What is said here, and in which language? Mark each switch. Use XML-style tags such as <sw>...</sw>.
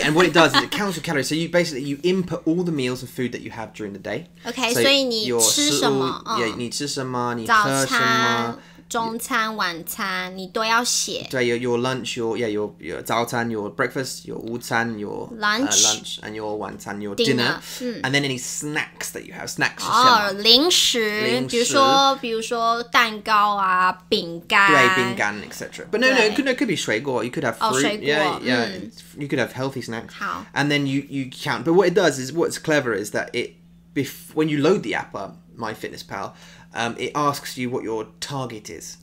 <en>And what it does is it counts your calories. So you basically, you input all the meals and food that you have during the day. Okay, so,</en> <zh>你吃什么，早餐，中餐，晚餐，你都要写。对,</zh> <en>your lunch, your 早餐, your breakfast, your 午餐, your lunch, lunch, and your 晚餐, your dinner. And then any snacks that you have. Snacks,</en> <zh>零食, 比如说蛋糕啊, 饼干。对, 饼干, etc.</zh> <en>But no, it could, be</en> <zh>水果,</zh> <en>you could have fruit.</en> <zh>水果,</zh> <en>you could have healthy snacks.</en> <zh>好。</zh> <en>And then you count. But what it does is, what's clever is that when you load the app up, My Fitness Pal, it asks you what your target is.</en>